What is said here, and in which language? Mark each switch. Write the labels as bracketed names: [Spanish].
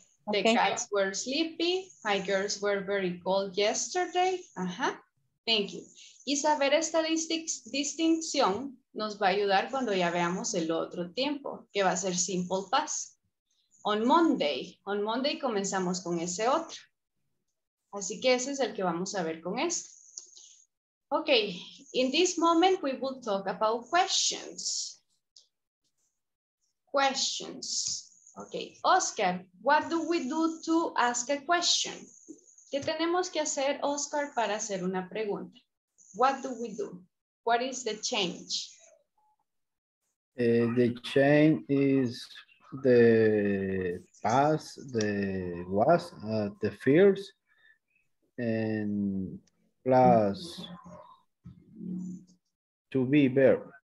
[English] The cats were sleepy. My girls were very cold yesterday. Thank you. [Spanish] Y saber esta distinción nos va a ayudar cuando ya veamos el otro tiempo, que va a ser simple past. On Monday comenzamos con ese otro. Así que ese es el que vamos a ver con esto. [English] Okay, in this moment we will talk about questions. Questions. Okay, Oscar, what do we do to ask a question? [Spanish] ¿Qué tenemos que hacer, Oscar, para hacer una pregunta? [English] What do we do? What is the change? The change is the past, the was, the first, and plus to be verb.